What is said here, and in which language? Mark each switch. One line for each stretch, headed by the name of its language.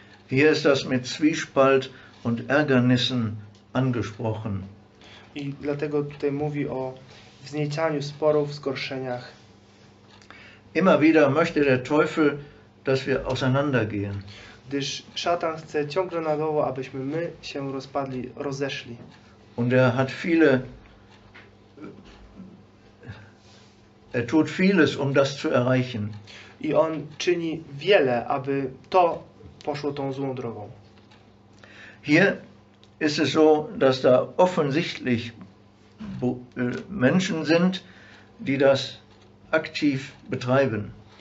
German: Hier ist das mit Zwiespalt und Ärgernissen angesprochen.
Polish: I dlatego tutaj mówi o wzniecianiu sporów, zgorszeniach.
German: Immer wieder möchte der Teufel, dass wir auseinandergehen.
Polish: Gdyż szatan chce ciągle na dowo, abyśmy my się rozpadli, rozeszli.
German: Und er hat viele, er tut vieles, um das zu erreichen.
Polish: I on czyni wiele, aby to poszło tą złą drogą.
German: Hier ist es so, dass da offensichtlich Menschen sind, die das aktiv betreiben.